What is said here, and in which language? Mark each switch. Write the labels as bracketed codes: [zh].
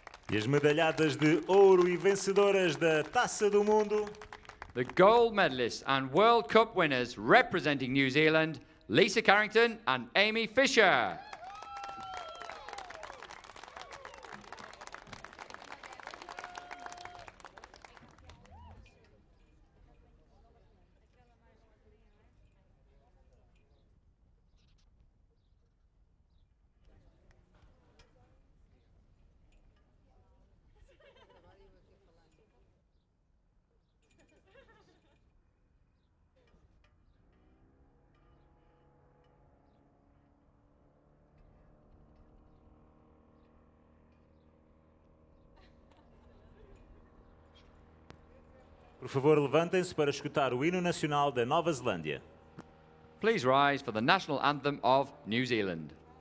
[pt] E as medalhadas de ouro e vencedoras da Taça do Mundo. [en] The gold medalists and World Cup winners representing New Zealand, Lisa Carrington and Amy Fisher. [pt] Por favor, levantem-se para escutar o hino nacional da Nova Zelândia. [en] Please rise for the national anthem of New Zealand.